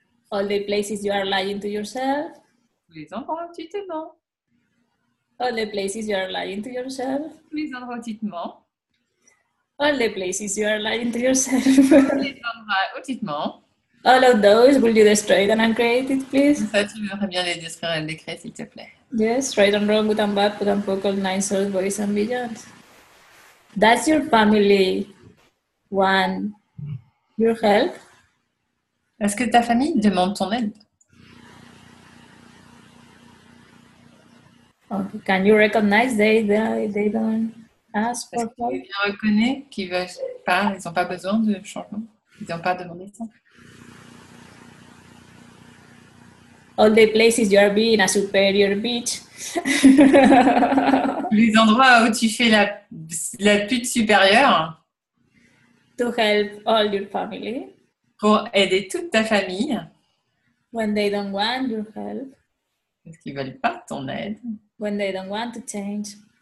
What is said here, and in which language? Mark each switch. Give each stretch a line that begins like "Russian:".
English: All the places you are lying to yourself.
French: Tous les endroits où tu te mens.
English: All the places you are lying to yourself.
French: Tous les endroits où tu te mens.
English: All the places you are lying to yourself.
French: Tous les endroits où tu te mens.
English: All of those, will you destroy and uncreate it, please?
French: Ça, tu aimerais bien les destruire et les créer, s'il te plaît.
English: Yes, right and wrong, good and bad, but and poke, all nine souls, boys and beyond. Does your family want your help?
French: Est-ce que ta famille demande ton aide?
English: Okay. Can you recognize they don't ask for help?
French: Est-ce qu'ils reconnaissent qu'ils veulent pas, ils n'ont pas besoin de changement, ils n'ont pas demandé ça?
English: All the places you are being a superior bitch.
French: Les endroits où tu fais la pute supérieure.
English: To help all your family.
French: Pour aider toute ta famille.
English: When they don't want your help.
French: Parce qu'ils ne veulent pas ton aide.
English: When they don't want to change.